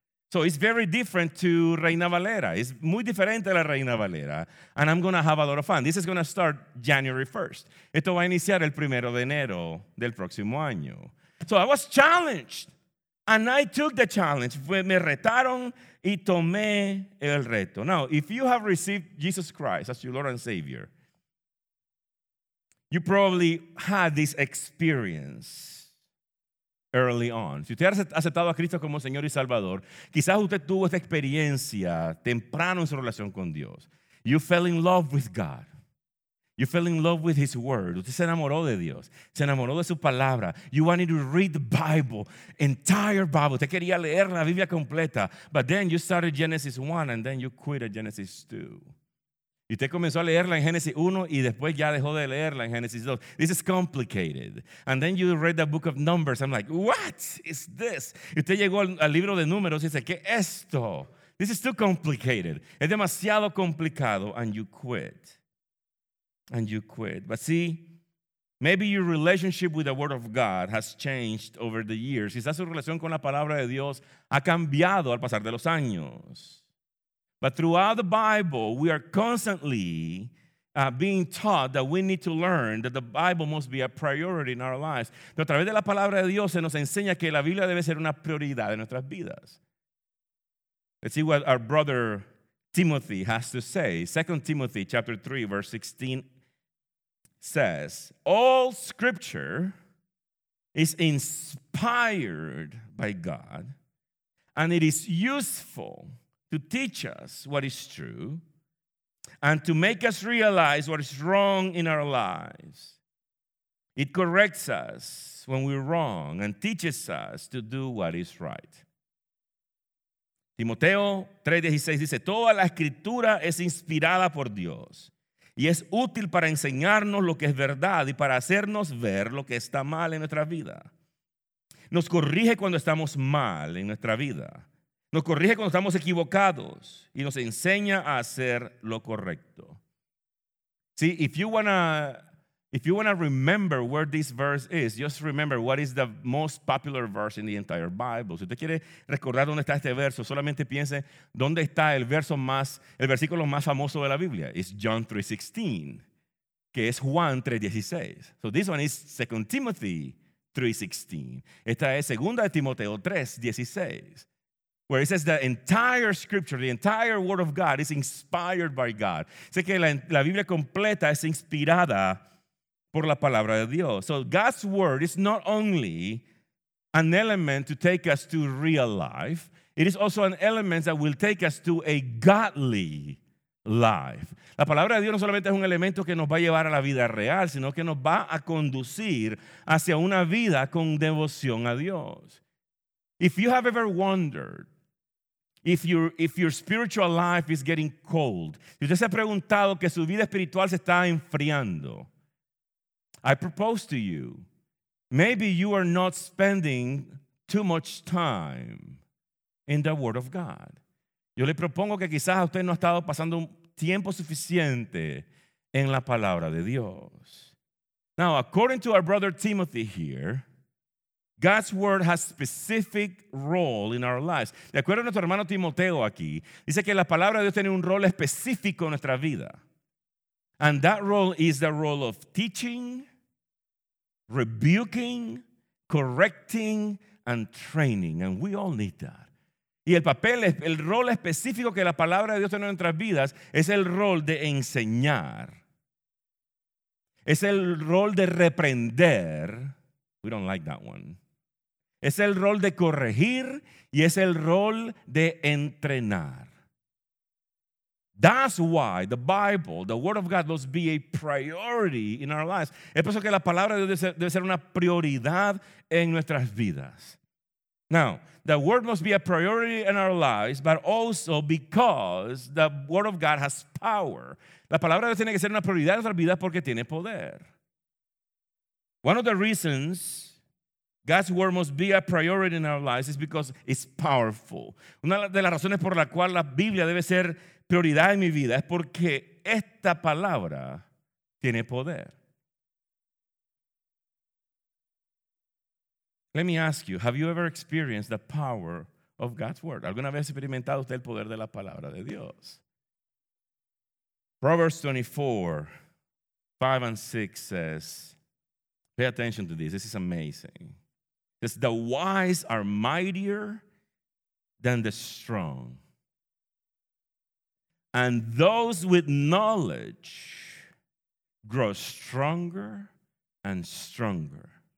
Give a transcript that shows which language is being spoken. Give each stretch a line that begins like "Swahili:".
English: So it's very different to Reina Valera. It's
Spanish: muy diferente a la Reina Valera.
English: And I'm going to have a lot of fun. This is going to start January 1st.
Spanish: Esto va a iniciar el primero de enero del próximo año.
English: So I was challenged. And I took the challenge.
Spanish: Me retaron y tomé el reto.
English: Now, if you have received Jesus Christ as your Lord and Savior, you probably had this experience early on.
Spanish: Si usted ha aceptado a Cristo como Señor y Salvador, quizás usted tuvo esta experiencia temprano en su relación con Dios.
English: You fell in love with God. You fell in love with his word.
Spanish: Usted se enamoró de Dios. Se enamoró de su palabra.
English: You wanted to read the Bible, entire Bible.
Spanish: Usted quería leer la Biblia completa.
English: But then you started Genesis 1 and then you quit at Genesis 2.
Spanish: Y usted comenzó a leerla en Génesis 1 y después ya dejó de leerla en Génesis 2.
English: This is complicated. And then you read the book of Numbers. I'm like, what is this?
Spanish: Y usted llegó al libro de Números y dice, ¿qué es esto?
English: This is too complicated.
Spanish: Es demasiado complicado.
English: And you quit. And you quit. But see, maybe your relationship with the Word of God has changed over the years.
Spanish: Quizás su relación con la palabra de Dios ha cambiado al pasar de los años.
English: But throughout the Bible, we are constantly being taught that we need to learn, that the Bible must be a priority in our lives.
Spanish: Pero a través de la palabra de Dios se nos enseña que la Biblia debe ser una prioridad en nuestras vidas.
English: Let's see what our brother Timothy has to say. 2 Timothy chapter 3, verse 16 says, all scripture is inspired by God, and it is useful to teach us what is true and to make us realize what is wrong in our lives. It corrects us when we're wrong and teaches us to do what is right.
Spanish: Timoteo 3:16 dice, toda la escritura es inspirada por Dios y es útil para enseñarnos lo que es verdad y para hacernos ver lo que está mal en nuestra vida. Nos corrige cuando estamos mal en nuestra vida. Nos corrige cuando estamos equivocados y nos enseña a hacer lo correcto.
English: See, if you wanna remember where this verse is, just remember what is the most popular verse in the entire Bible.
Spanish: Si usted quiere recordar dónde está este verso, solamente piense dónde está el versículo más famoso de la Biblia.
English: It's John 3:16,
Spanish: que es Juan 3:16.
English: So this one is 2 Timothy 3:16.
Spanish: Esta es 2 Timoteo 3:16.
English: Where it says the entire scripture, the entire word of God is inspired by God.
Spanish: Sé que la Biblia completa es inspirada por la palabra de Dios.
English: So God's word is not only an element to take us to real life, it is also an element that will take us to a godly life.
Spanish: La palabra de Dios no solamente es un elemento que nos va a llevar a la vida real, sino que nos va a conducir hacia una vida con devoción a Dios.
English: If you have ever wondered if your spiritual life is getting cold,
Spanish: si usted se ha preguntado que su vida espiritual se está enfriando,
English: I propose to you, maybe you are not spending too much time in the Word of God.
Spanish: Yo le propongo que quizás usted no ha estado pasando tiempo suficiente en la palabra de Dios.
English: Now, according to our brother Timothy here, God's word has a specific role in our lives.
Spanish: De acuerdo a nuestro hermano Timoteo aquí, dice que la palabra de Dios tiene un rol específico en nuestra vida.
English: And that role is the role of teaching, rebuking, correcting, and training. And we all need that.
Spanish: Y el rol específico que la palabra de Dios tiene en nuestras vidas es el rol de enseñar. Es el rol de reprender.
English: We don't like that one.
Spanish: Es el rol de corregir y es el rol de entrenar.
English: That's why the Bible, the Word of God, must be a priority in our lives.
Spanish: Es por eso que la palabra de Dios debe ser una prioridad en nuestras vidas.
English: Now, the Word must be a priority in our lives, but also because the Word of God has power.
Spanish: La palabra de Dios tiene que ser una prioridad en nuestras vidas porque tiene poder.
English: One of the reasons God's word must be a priority in our lives is because it's powerful.
Spanish: Una de las razones por la cual la Biblia debe ser prioridad en mi vida es porque esta palabra tiene poder.
English: Let me ask you, have you ever experienced the power of God's word?
Spanish: ¿Alguna vez ha experimentado usted el poder de la palabra de Dios?
English: Proverbs 24, 5 and 6 says, pay attention to this, this is amazing. Because the wise are mightier than the strong. And those with knowledge grow stronger and stronger.